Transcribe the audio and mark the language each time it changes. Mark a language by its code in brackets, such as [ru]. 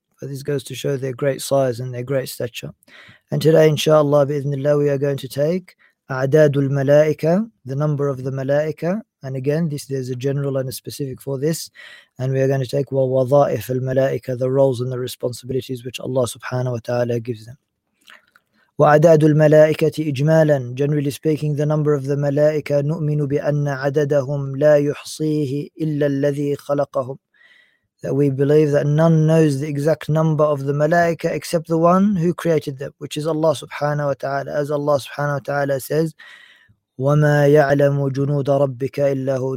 [en] But this goes to show their great size and their great stature. And today, inshallah, bi-idhnillah, we are going to take a'dadul malaika, the number of the malaika. And again, there's a general and a specific for this. And we are going to take wa-wada'if al-malaika, the roles and the responsibilities which Allah subhanahu wa ta'ala gives them. [ar] وعدد الملائكة إجمالا. [en] Generally speaking, the number of the [ar] ملائكة نؤمن بأن عددهم لا يحصيه إلا الذي خلقهم. [en] That we believe that none knows the exact number of the ملائكة except the one who created them, which is Allah سبحانه وتعالى. [ar] As Allah سبحانه وتعالى says, وما يعلم جنود ربك إلا هو.